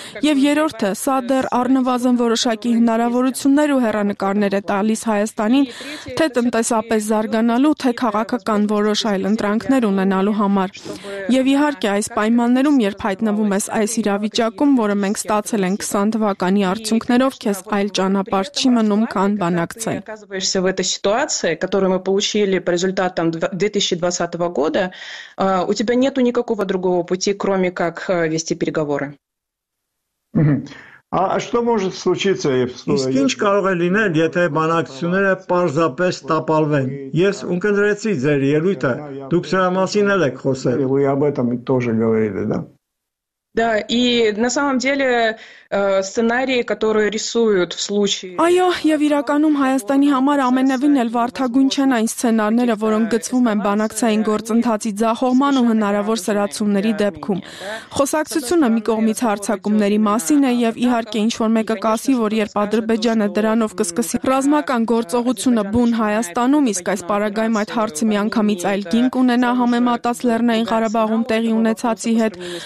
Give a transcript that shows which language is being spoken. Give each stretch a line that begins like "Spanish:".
Armenian: Եվ երրորդը, սա դեռ առնվազն որոշակի հնարավորություններ ու հեռանկարներ է տալիս Հայաստանին, թե տնտեսապես զարգանալու, թե քաղաքական որոշ այլ ընտրանքներ ունենալու համար։ Եվ իհարկե, այս պայմաններում, երբ հայտնվում ես այս իրավիճակում, որը մենք ստացել ենք 20 թվականի արդյունքներով, քեզ այլ ճանապարհ
Russian: оказываешься в этой ситуации, которую мы получили по результатам 2020 года, у тебя нету никакого другого пути, кроме как вести переговоры. А что может случиться, если...
Armenian: Իսկ ինչ կարող է լինել, եթե բանակցությունները պարզապես տապալվեն։ Ես ունկնդրեցի ձեր ելույթը, դուք սրա մասին էլ եք խոսել։
Russian: Вы об этом тоже говорили, да? Да, и на самом деле сценарии, которые рисуют в случае...
Armenian: Այո, եւ իրականում Հայաստանի համար ամենևին էլ վարթագույն չեն այն սցենարները, որոնք գծվում են բանակցային գործընթացի ձախողման ու հնարավոր սրացումների դեպքում։ Խոսակցությունը մի կողմից հարցակումների մասին է, եւ իհարկե ինչ-որ մեկը կասի, որ երբ Ադրբեջանը դրանով կսկսի ռազմական գործողությունը բուն Հայաստանում, իսկ այս պարագայում այդ հարցը միանգամից այլ գին կունենա համեմատած Լեռնային Ղարաբաղում տեղի ունեցածի հետ,